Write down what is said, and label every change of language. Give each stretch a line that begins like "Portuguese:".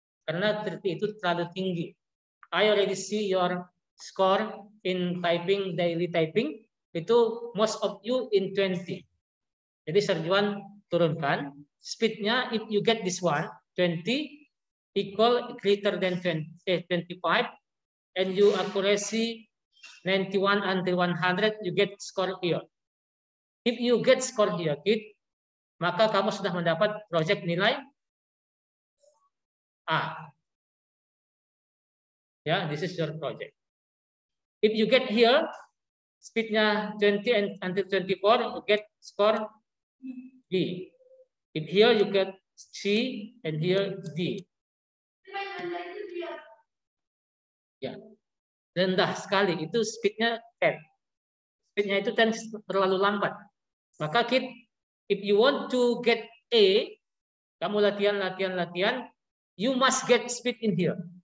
Indonesian: Karena 30 itu terlalu tinggi.
English: I already see your score in typing, daily typing,
Indonesian: itu
English: most of you in 20.
Indonesian: Jadi Sir Juan turunkan.
English: Speednya, if you get this one, 20, equal greater than 20, 25, and you accuracy 91 until 100, you get score here. If you get score here, kid,
Indonesian: maka kamu sudah mendapat project nilai A.
English: Ya, yeah, this is your project. If you get here, speednya 20 and until 24, you get score B. If here you get C and here D.
Indonesian: Ya, rendah sekali. Itu speednya 10. Speednya itu 10 terlalu lambat.
English: Maka kid, if you want to get A,
Indonesian: kamu latihan,
English: you must get speed in here.